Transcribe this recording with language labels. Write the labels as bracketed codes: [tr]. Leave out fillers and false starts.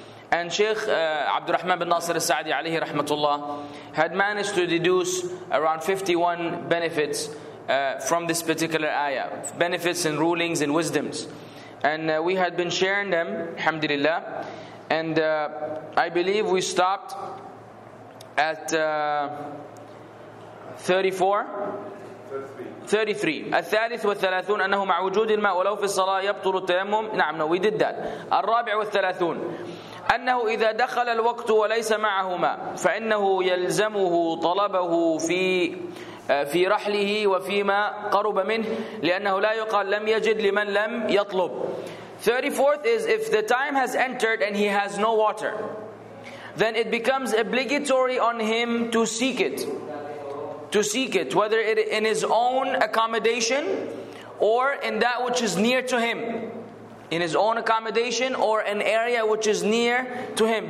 [en] And Shaykh Abdul Rahman bin Nasir al-Sa'di alayhi rahmatullah had managed to deduce around 51 benefits from this particular ayah, benefits and rulings and wisdoms. And we had been sharing them, alhamdulillah. And I believe we stopped at 33. [ar] الثالث والثلاثون أنه مع وجود الماء ولو في الصلاة يبطل التيمم. [en] نعم, no, we did that. [ar] الرابع والثلاثون أنه إذا دخل الوقت وليس معه ماء فإنه يلزمه طلبه في رحله وفيما قرب منه لأنه لا يقال لم يجد لمن لم يطلب. [en] 34th is, if the time has entered and he has no water, then it becomes obligatory on him to seek it. To seek it, whether it in his own accommodation or in that which is near to him. In his own accommodation or an area which is near to him.